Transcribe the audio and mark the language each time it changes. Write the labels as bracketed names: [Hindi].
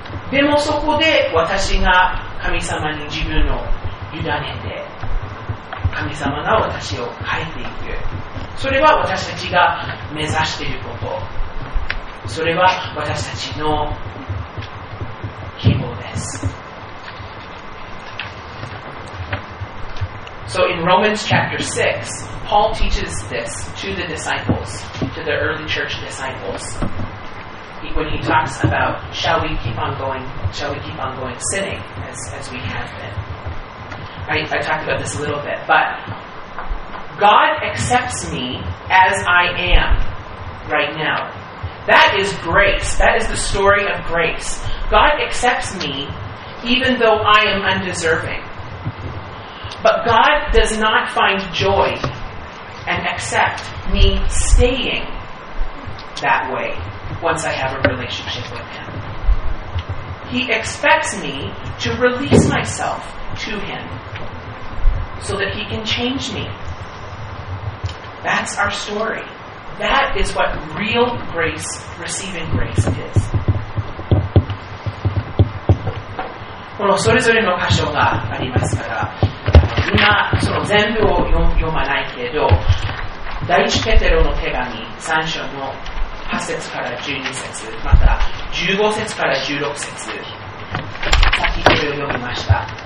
[Japanese] でもそこで私が神様に自分を委ねて、神様が私を変えていく。それは私たちが目指していること。それは私たちの希望です。 [English] So in Romans chapter 6, Paul teaches this to the disciples, to the early church disciples. When he talks about, shall we keep on going, shall we keep on going sinning as we have been. I talked about this a little bit, but God accepts me as I am right now. That is grace. That is the story of grace. God accepts me even though I am undeserving. But God does not find joy and accept me staying that way once I have a relationship with Him. He expects me to release myself to Him so that He can change me. That's our story. That is what real grace, receiving grace, is. [Japanese] このそれぞれの箇所がありますから、今その全部を読まないけど、第一ペテロの手紙3章の8節から12節、また15節から16節、さっきそれを読みました。